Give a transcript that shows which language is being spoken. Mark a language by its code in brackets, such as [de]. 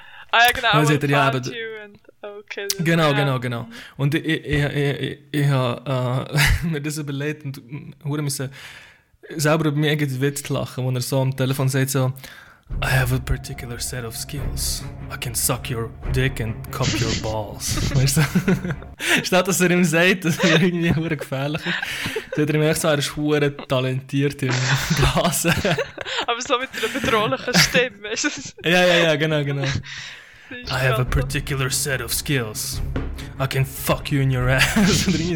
[de] Ah ja, genau. Und er, ja, aber, okay, genau, ja. genau. Und ich habe mir das überlegt und hure müssen selber über mich irgendwie Witz lachen, wo er so am Telefon sagt so, [en] I have a particular set of skills. I can suck your dick and cup your balls. [de] Weißt du? Statt dass er ihm sagt, dass er irgendwie hure gefährlich ist, sagt er ihm echt so, er ist hure talentiert im Blasen. Aber so mit einer bedrohlichen Stimme, weißt du? Ja, genau. [en] I have a particular set of skills. I can fuck you in your ass.